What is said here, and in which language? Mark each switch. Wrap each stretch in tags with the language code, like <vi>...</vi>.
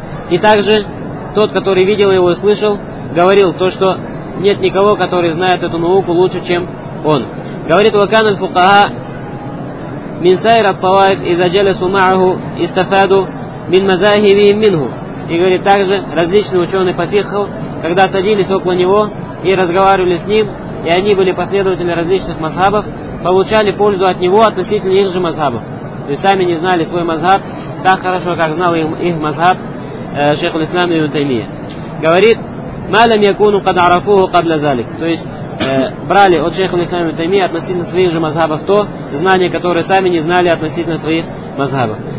<ru>И также тот, который видел его и слышал, говорил то, что нет никого, который знает эту науку лучше, чем он.</ru> <ar>Говорит, وَكَانَ الْفُقَهَا مِنْ سَيْرَ الطَّوَائِفِ إِذَا جَلَسُوا مَعَهُ إِسْتَفَادُوا مِنْ مَذَاهِبِهِمْ مِنْهُ.</ar> <ru>И говорит, также различные ученые по фикху когда садились около него и разговаривали с ним, и они были последователи различных мазхабов, получали пользу от него относительно их же мазхабов. То есть сами не знали свой мазхаб так хорошо, как знал их мазхаб шейх ислам ибн Таймия. Говорит,</ru> <ar>«Малям якуну кад арафуху кад лазалик».</ar> <ru>То есть брали от шейха ислам ибн Таймия относительно своих же мазхабов то знание, которое сами не знали относительно своих мазхабов.</ru>